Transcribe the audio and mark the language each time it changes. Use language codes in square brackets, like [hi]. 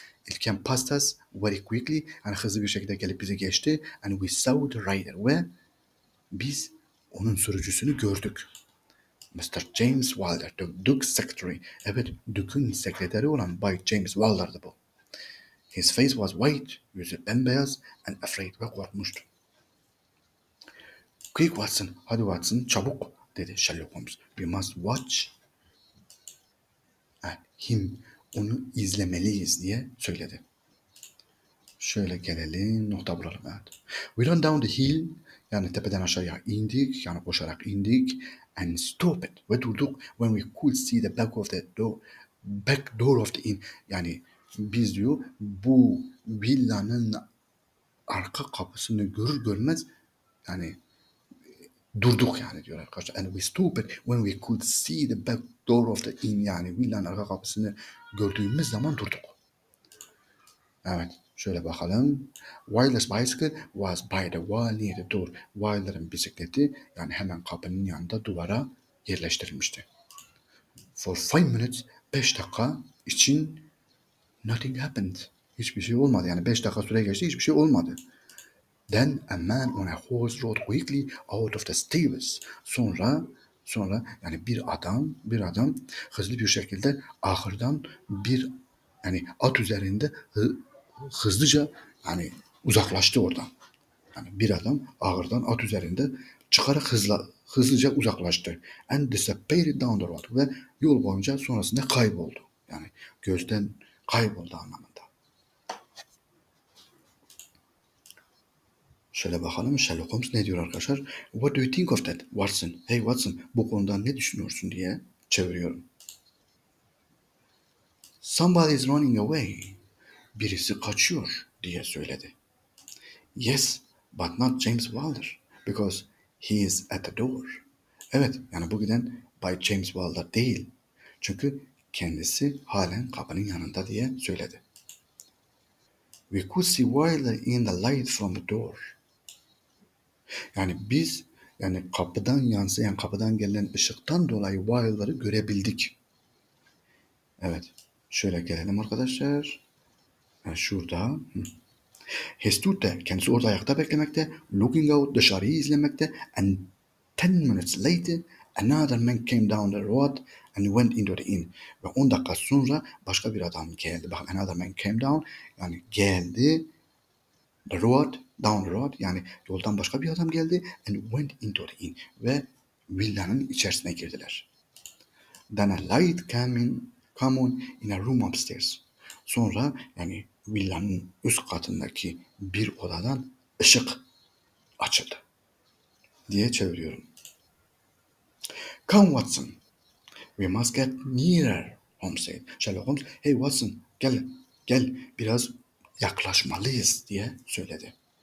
[en] It came past us very quickly. [tr] Yani hızlı bir şekilde gelip bizi geçti. [en] And we saw the rider. [tr] Ve biz onun sürücüsünü gördük. [en] Mr. James Wilder, the Duke's secretary. [tr] Evet, Duke'un sekreteri olan Bay James Wilder'dı bu. [en] His face was white, [tr] yüzü bembeyaz [en] and afraid, [tr] ve korkmuştu. [en] Quick Watson, [tr] hadi Watson, çabuk, dedi Sherlock Holmes. [en] We must watch him, [tr] onu izlemeliyiz, diye söyledi. Şöyle gelelim, nokta bulalım. Evet. [en] We run down the hill, [tr] yani tepeden aşağıya indik, yani koşarak indik. [en] And stop it, [tr] ve durduk. [en] When we could see the back of the door, back door of the inn, [tr] yani biz diyor bu villanın arka kapısını görür görmez yani durduk yani diyor arkadaşlar. [en] And we stopped when we could see the back door of the inn, [tr] yani villanın arka kapısını gördüğümüz zaman durduk. Evet, şöyle bakalım. [en] Wilder's bicycle was by the wall near the door. [tr] Wilder'ın bisikleti yani hemen kapının yanında duvara yerleştirilmişti. [en] For 5 minutes, [tr] 5 dakika için [en] nothing happened. [tr] Hiçbir şey olmadı. Yani 5 dakika süre geçti, hiçbir şey olmadı. [en] Then a man on a horse rode quickly out of the stables. [tr] Sonra yani bir adam hızlı bir şekilde ahırdan bir yani at üzerinde hızlıca yani uzaklaştı oradan. Yani bir adam ahırdan at üzerinde çıkarak hızlıca uzaklaştı. [en] And disappeared down the road. [tr] Ve yol boyunca sonrasında kayboldu. Yani gözden kayboldu anlamında. Şöyle bakalım Sherlock Holmes ne diyor arkadaşlar? [en] What do you think of that, Watson? [tr] Hey Watson, bu konuda ne düşünüyorsun diye çeviriyorum. [en] Somebody is running away. [tr] Birisi kaçıyor diye söyledi. [en] Yes, but not James Wilder because he is at the door. [tr] Evet, yani bu giden by James Wilder değil. Çünkü kendisi halen kapının yanında diye söyledi. [en] We could see Wilder in the light from the door. [tr] Yani biz yani kapıdan yansıyan, kapıdan gelen ışıktan dolayı Wilder'ı görebildik. Evet. Şöyle gelelim arkadaşlar. Yani şurada. [en] He stood there. [tr] Kendisi orada ayakta beklemekte. [en] Looking out. [tr] Dışarıyı izlemekte. [en] And 10 minutes later another man came down the road and went into the inn. [tr] Ve 10 dakika sonra başka bir adam geldi. Bak, [en] another man came down. [tr] Yani geldi. [en] The road, down the road. [tr] Yani yoldan başka bir adam geldi. [en] And went into the inn. [tr] Ve villanın içerisine girdiler. [en] Then a light came on in a room upstairs. [tr] Sonra yani villanın üst katındaki bir odadan ışık açıldı. Diye çeviriyorum. [en] Come Watson. We must get nearer, Holmes said. [tr] Sherlock Holmes, hey Watson, gel, biraz yaklaşmalıyız diye söyledi.